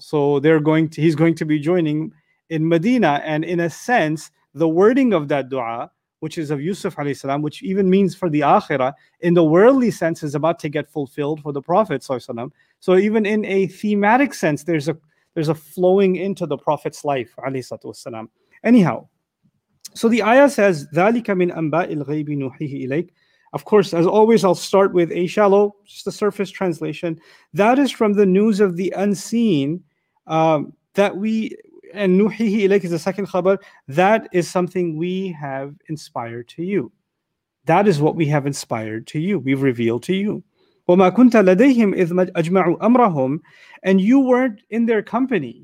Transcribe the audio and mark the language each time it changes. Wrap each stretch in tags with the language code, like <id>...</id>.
<en>So he's going to be joining in Medina, and in a sense, the wording of that dua, which is of Yusuf alayhi salam, which even means for the akhirah, in the worldly sense, is about to get fulfilled for the Prophet sallallahu alayhi wasalam. So even in a thematic sense, there's a flowing into the Prophet's life, alayhi salatu wasalam. Anyhow, so the ayah says,</en> <ar>ذَلِكَ مِنْ أَنْبَاءِ الْغَيْبِ نُحِيهِ إِلَيْكَ.</ar> <en>Of course, as always, I'll start with a shallow, just a surface translation. That is from the news of the unseen that we and nuhihi ilayk is the second khabar, that is something we have inspired to you. That is what we have inspired to you. We've revealed to you.</en> <ar>وَمَا كُنْتَ لَدَيْهِمْ إِذْ أَجْمَعُوا أَمْرَهُمْ,</ar> <en>and you weren't in their company.</en>